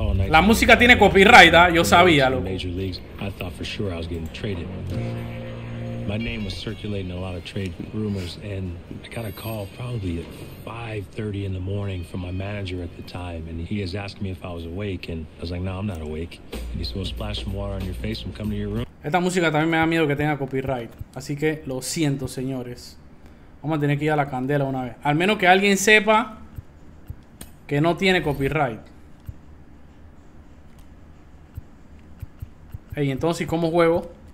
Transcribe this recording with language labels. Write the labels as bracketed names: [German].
[Spanish] La música tiene copyright, ¿eh? Yo sabía, loco. [English] Major leagues, I thought for sure I was getting traded. My name was circulating a lot of trade rumors, and I got a call probably at 5:30 in the morning from my manager at the time, and he is asking me if I was awake, and I was like, no, I'm not awake. And he said, well, splash some water on your face and come to your room. [Spanish] Esta música también me da miedo que tenga copyright, así que lo siento, señores. Vamos a tener que ir a la candela una vez. Al menos que alguien sepa que no tiene copyright. Hey, entonces, ¿cómo juego?